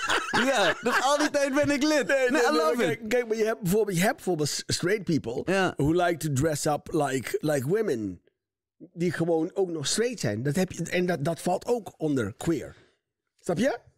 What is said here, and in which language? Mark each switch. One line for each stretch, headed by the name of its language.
Dutch: Ja, dus al die tijd ben ik lid.
English: Nee, I love it.
Dutch: Kijk, maar je hebt bijvoorbeeld
English: straight people... Yeah. who like to dress up like women.
Dutch: Die gewoon ook nog straight zijn. Dat heb je, en dat valt ook onder queer. Snap je?